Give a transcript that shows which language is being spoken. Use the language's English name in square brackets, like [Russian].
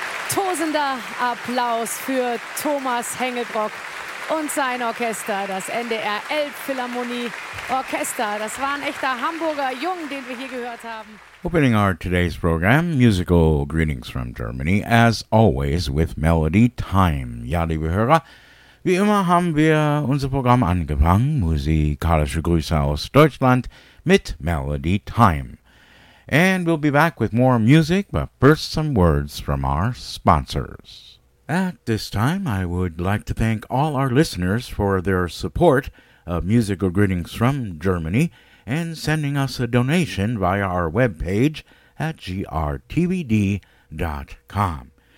[German] tosender Applaus für Thomas Hengelbrock und sein Orchester, das NDR Elbphilharmonie Orchester. Das war ein echter Hamburger Jung, den wir hier gehört haben. [English] Opening our today's program, musical greetings from Germany, as always with Melody Time. [German] Ja, liebe Hörer, wie immer haben wir unser Programm angefangen, musikalische Grüße aus Deutschland mit Melody Time. [English] And we'll be back with more music, but first some words from our sponsors. At this time, I would like to thank all our listeners for their support of Musical Greetings from Germany and sending us a donation via our webpage at grtvd.com.